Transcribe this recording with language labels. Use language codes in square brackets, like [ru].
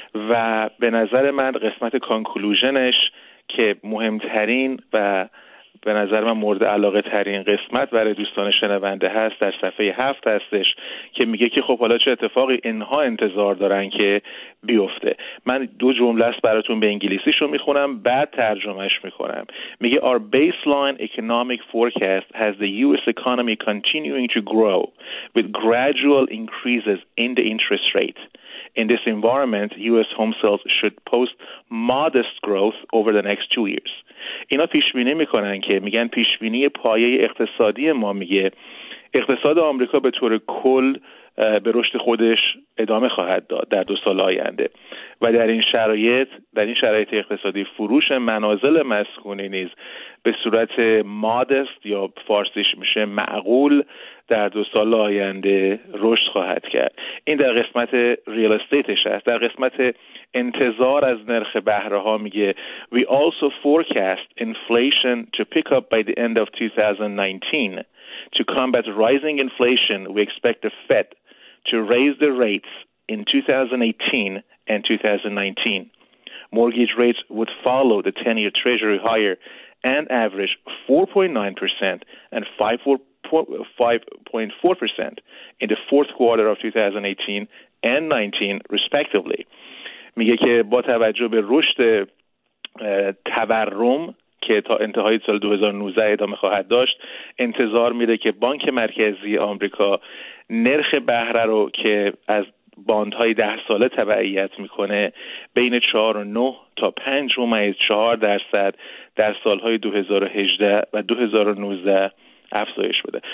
[fa] و به نظر من قسمت کانکلوژنش که مهمترین و به نظر من مورد علاقه ترین قسمت برای دوستان شنونده هست در صفحه 7 هستش، که میگه که خب حالا چه اتفاقی اینها انتظار دارن که بیفته. من دو جمله است براتون به انگلیسیشو میخونم بعد ترجمهش میکنم. [en] میگه Our baseline economic forecast has the US economy continuing to grow with gradual increases in the interest rate. In this environment, US home sales should post modest growth over the next 2 years. [fa] اینا پیش بینی میکنن که میگن پیش بینی پایه اقتصادی ما میگه اقتصاد آمریکا به طور کل به رشد خودش ادامه خواهد داد در 2 سال آینده، و در این شرایط اقتصادی فروش منازل مسکونی نیز به صورت مادست یا فارسیش میشه معقول در 2 سال آینده رشد خواهد کرد. این در قسمت ریال استیتش هست. در قسمت انتظار از نرخ بهره ها میگه [en] We also forecast inflation to pick up by the end of 2019. To combat rising inflation, we expect the Fed to raise the rates in 2018 and 2019. Mortgage rates would follow the 10-year treasury higher and average 4.9% and 5.4% in the fourth quarter of 2018 and 19 respectively. [fa] میگه که با توجه به رشد تورم که تا انتهای سال 2019 ادامه خواهد داشت، انتظار میره که بانک مرکزی آمریکا نرخ بهره رو که از باندهای 10 ساله تبعیت میکنه بین 4.9 تا 5.4% در سالهای 2018 و 2019 افزایش بده.